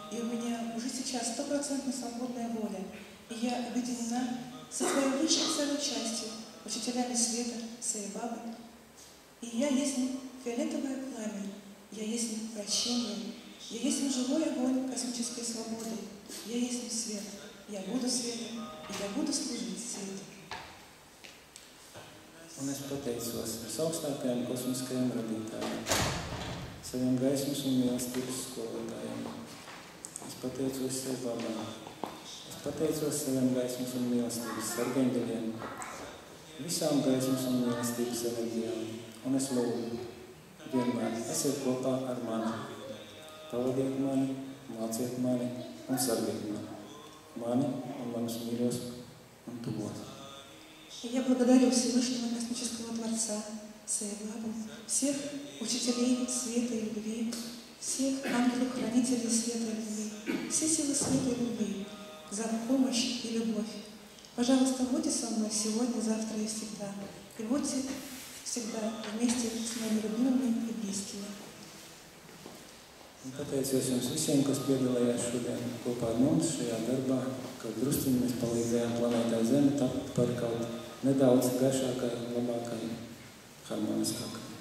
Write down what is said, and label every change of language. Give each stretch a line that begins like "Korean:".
Russian: И у меня уже сейчас 100% свободная воля. И я объединена со своей личной целой частью, учителями света, своей бабы. И я есть фиолетовое пламя, я есть прощение, я есть живой огонь космической свободы, я есть свет, я буду светом, и я буду служить свету.
Latvian: Un es pateicu vas ar augstākajām kosmiskajām radītājām, saviem gaismas un mīlestības skolotājiem. Es pateicu vas sev labam. Es pateicu vas saviem gaismas un mīlestības sargaņģeļiem, visām gaismas un mīlestības energijām. Un es lūdzu, vienmēr esiet kopā ar mani. Pavadiet mani, māciet mani un sargiet mani. Mani un manus mīļos un tuvos.
Russian: Я благодарю Всевышнего Космического Творца, Своей Бабу, всех учителей света и любви, всех ангелов-хранителей света и любви, все силы света и любви за помощь и любовь. Пожалуйста, будьте со мной сегодня, завтра и всегда. И будьте всегда вместе с моими любимыми и близкими.
Latvian: Pateicu es jums visiem, kas piedalījās šodien kopā ar mums šajā darbā, kad drusciņi mēs palīdzējām planētā Zeme tapt par kaut nedaudz gaišākai, labākai, harmoniskākai.